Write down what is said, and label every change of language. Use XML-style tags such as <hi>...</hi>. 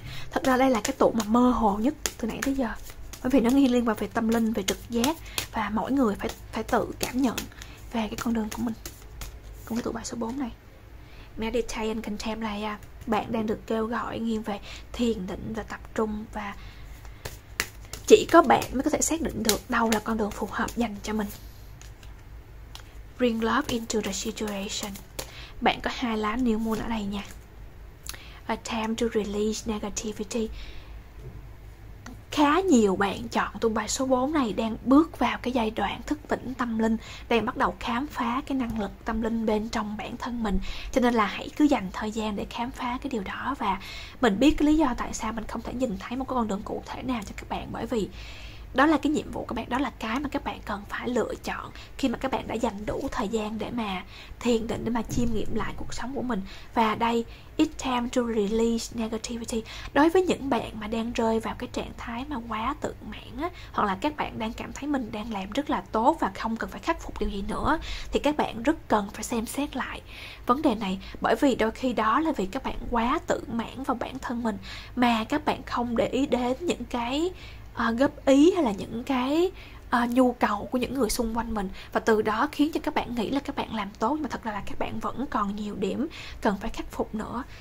<vi>Thật ra đây là cái tụ mà mơ hồ nhất từ nãy tới giờ, bởi vì nó nghi liên quan về tâm linh, về trực giác, và mỗi người phải phải tự cảm nhận về cái con đường của mình. Cũng cái tụ bài số 4 này, Meditation and Contemplation, bạn đang được kêu gọi nghiêng về thiền định và tập trung, và chỉ có bạn mới có thể xác định được đâu là con đường phù hợp dành cho mình.</vi> <en>Bring love into the situation.</en> <vi>Bạn có hai lá New Moon ở đây nha.</vi> <en>Attempt to release negativity.</en> <vi>Khá nhiều bạn chọn tụ bài số 4 này đang bước vào cái giai đoạn thức tỉnh tâm linh, đang bắt đầu khám phá cái năng lực tâm linh bên trong bản thân mình. Cho nên là hãy cứ dành thời gian để khám phá cái điều đó. Và mình biết cái lý do tại sao mình không thể nhìn thấy một cái con đường cụ thể nào cho các bạn, bởi vì Đó là cái nhiệm vụ các bạn, đó là cái mà các bạn cần phải lựa chọn khi mà các bạn đã dành đủ thời gian để mà thiền định, để mà chiêm nghiệm lại cuộc sống của mình. Và đây,</vi> <en>it's time to release negativity.</en> <vi>Đối với những bạn mà đang rơi vào cái trạng thái mà quá tự mãn á, hoặc là các bạn đang cảm thấy mình đang làm rất là tốt và không cần phải khắc phục điều gì nữa, thì các bạn rất cần phải xem xét lại vấn đề này. Bởi vì đôi khi đó là vì các bạn quá tự mãn vào bản thân mình mà các bạn không để ý đến những cái góp ý hay là những cái nhu cầu của những người xung quanh mình, và từ đó khiến cho các bạn nghĩ là các bạn làm tốt, nhưng mà thật ra là các bạn vẫn còn nhiều điểm cần phải khắc phục nữa.</vi>